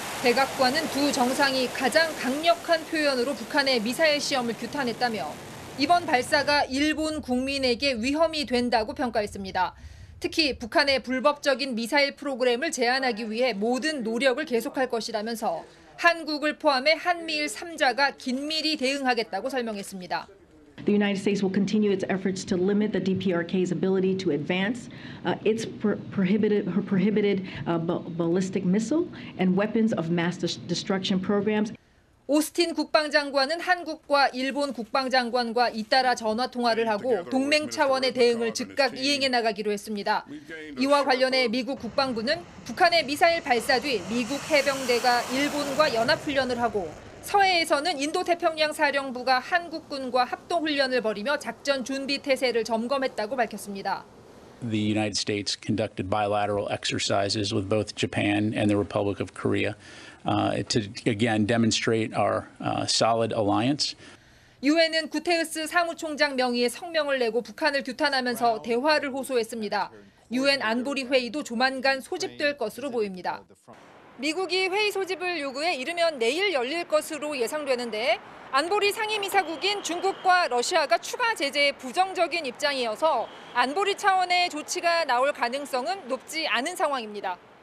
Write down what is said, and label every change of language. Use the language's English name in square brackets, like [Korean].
[Korean] 백악관은 두 정상이 가장 강력한 표현으로 북한의 미사일 시험을 규탄했다며 이번 발사가 일본 국민에게 위험이 된다고 평가했습니다. 특히 북한의 불법적인 미사일 프로그램을 제한하기 위해 모든 노력을 계속할 것이라면서 한국을 포함해 한미일 3자가 긴밀히 대응하겠다고 설명했습니다. [English] The United States will continue its efforts to limit the DPRK's ability to advance its prohibited ballistic missile and weapons of mass destruction programs. [Korean] 오스틴 국방장관은 한국과 일본 국방장관과 잇따라 전화 통화를 하고 동맹 차원의 대응을 즉각 이행해 나가기로 했습니다. 이와 관련해 미국 국방부는 북한의 미사일 발사 뒤 미국 해병대가 일본과 연합훈련을 하고 서해에서는 인도태평양 사령부가 한국군과 합동훈련을 벌이며 작전 준비 태세를 점검했다고 밝혔습니다. [English] The United States conducted bilateral exercises with both Japan and the Republic of Korea to again demonstrate our solid alliance. [Korean] 유엔은 구테흐스 사무총장 명의의 성명을 내고 북한을 규탄하면서 대화를 호소했습니다. 유엔 안보리 회의도 조만간 소집될 것으로 보입니다. 미국이 회의 소집을 요구해 이르면 내일 열릴 것으로 예상되는데 안보리 상임이사국인 중국과 러시아가 추가 제재에 부정적인 입장이어서 안보리 차원의 조치가 나올 가능성은 높지 않은 상황입니다.